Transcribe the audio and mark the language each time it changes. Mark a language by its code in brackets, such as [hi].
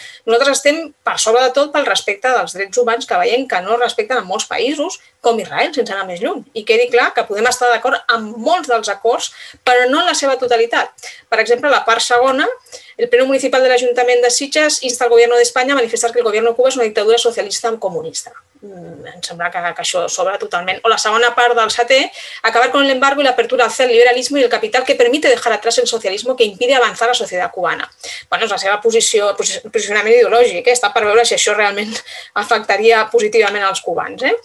[ca] Nosaltres estem per sobre de tot pel respecte dels drets humans, que veiem que no respecten en molts països, com Israel, sense anar més lluny. I quedi clar que podem estar d'acord amb molts dels acords, però no en la seva totalitat. Per exemple, la part segona, el Pleno Municipal de l'Ajuntament de Sitges insta el Govern d'Espanya a manifestar que el Govern de Cuba és una dictadura socialista comunista. Em sembla que això sobra totalment. O la segona part del setè, [es] acabar con el embargo y la apertura hacia el liberalismo y el capital que permite dejar atrás el socialismo que impide avanzar la sociedad cubana. [ca] Bueno, és la seva posició, posicionament ideològic, està per veure si això realment afectaria positivament als cubans.